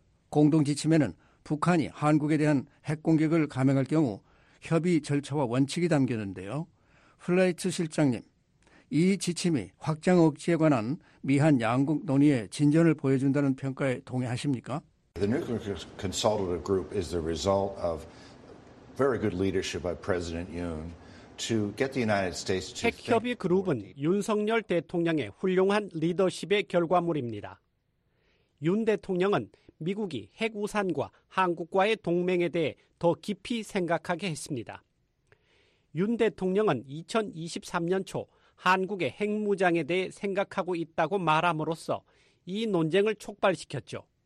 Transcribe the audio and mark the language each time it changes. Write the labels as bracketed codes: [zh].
[ko] 공동지침에는 북한이 한국에 대한 핵공격을 감행할 경우 협의 절차와 원칙이 담겼는데요. 플라이츠 실장님, 이 지침이 확장 억제에 관한 미한 양국 논의의 진전을 보여준다는 평가에 동의하십니까? [en] The nuclear consultative group is the result of very good leadership by President Yoon. [ko] 핵협의 그룹은 윤석열 대통령의 훌륭한 리더십의 결과물입니다. 윤 대통령은 미국이 핵우산과 한국과의 동맹에 대해 더 깊이 생각하게 했습니다. 윤 대통령은 2023년 초 한국의 핵무장에 대해 생각하고 있다고 말함으로써 이 논쟁을 촉발시켰죠.